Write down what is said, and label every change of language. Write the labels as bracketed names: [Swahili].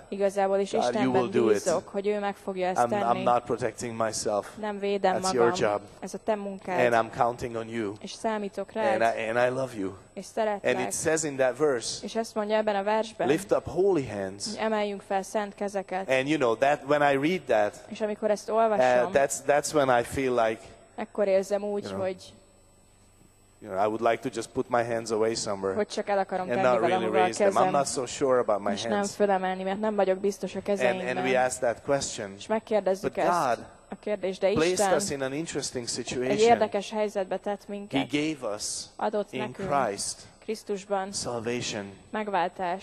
[Hungarian] Igazából is Istenben bízok, hogy ő meg fogja ezt tenni. [English] I'm not protecting myself. [Hungarian] Nem védem [English] that's [Hungarian] magam. [English] Your job. [Hungarian] Ez a te munkád. [English] And I'm counting on you. [Hungarian] És számítok rád. [English] And I love you. [Hungarian] És szeretlek. [English] And it says in that verse. [Hungarian] És ezt mondja ebben a versben. [English] Lift up holy hands. [Hungarian] Emeljünk fel szent kezeket. [English] And you know that when I read that. [Hungarian] És amikor ezt olvasom. [English] That's when I feel like. [Hungarian] Ekkor érzem úgy, hogy. [English] You know, I would like to just put my hands away somewhere. [Hungarian] Hogy csak el akarom [English] and not really raise [Hungarian] kezem, [English] them. I'm not so sure about my hands. [Hungarian] És nem fölemelni, mert nem vagyok biztos a kezeimben. [English] And we ask that question. [Hungarian] És megkérdezzük ezt. [English] God, [Hungarian] a kérdés, de Isten [English] placed us in an interesting situation. [Hungarian] Egy érdekes helyzetbe tett minket. [English] He gave us [Hungarian] adott nekünk [English] in Christ [Hungarian] Krisztusban. [English] Salvation. [Hungarian] Megváltás.